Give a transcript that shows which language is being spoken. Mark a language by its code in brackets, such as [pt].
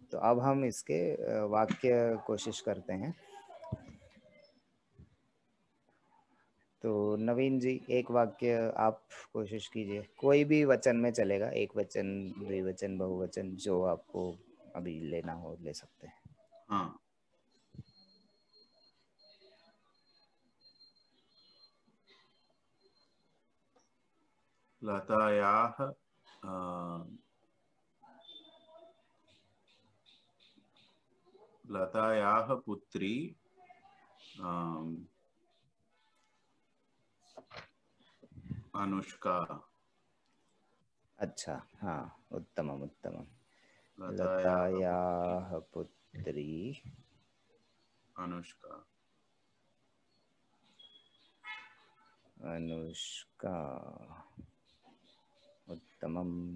[hi] तो अब हम इसके वाक्य कोशिश करते हैं। तो नवीन जी एक वाक्य आप कोशिश कीजिए, कोई भी वचन में चलेगा, एक वचन, द्विवचन, बहुवचन, जो आपको अभी लेना हो ले सकते हैं। [sa] हाँ, लतायाः लतायाः पुत्री अनुष्का। [hi] अच्छा, हाँ, [sa] उत्तमम उत्तमम। लतायाः पुत्री अनुष्का। अनुष्का, उत्तमम।